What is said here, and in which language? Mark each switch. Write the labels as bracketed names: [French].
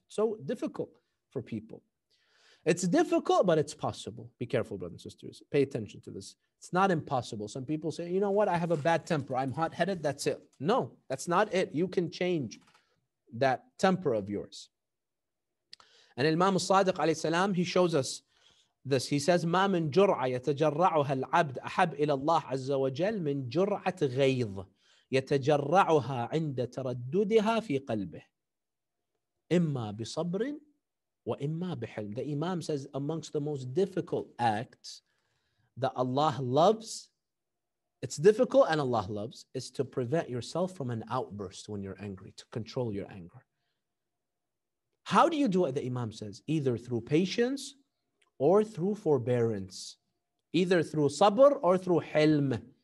[English] So difficult for people. It's difficult, but it's possible. Be careful, brothers and sisters. Pay attention to this. It's not impossible. Some people say, you know what? I have a bad temper. I'm hot-headed. That's it. No, that's not it. You can change. that temper of yours. And Imam al-Sadiq alayhi salam, he shows us this. He says, [Arabic] ما من جرعة يتجرعها العبد أحب إلى الله عز وجل من جرعة غيظ يتجرعها عند ترددها في قلبه إما بصبر وإما بحلم. [English] The Imam says, amongst the most difficult acts that Allah loves, it's difficult and Allah loves, is to prevent yourself from an outburst when you're angry, to control your anger. How do you do it? The Imam says, either through patience or through forbearance, either through sabr or through hilm.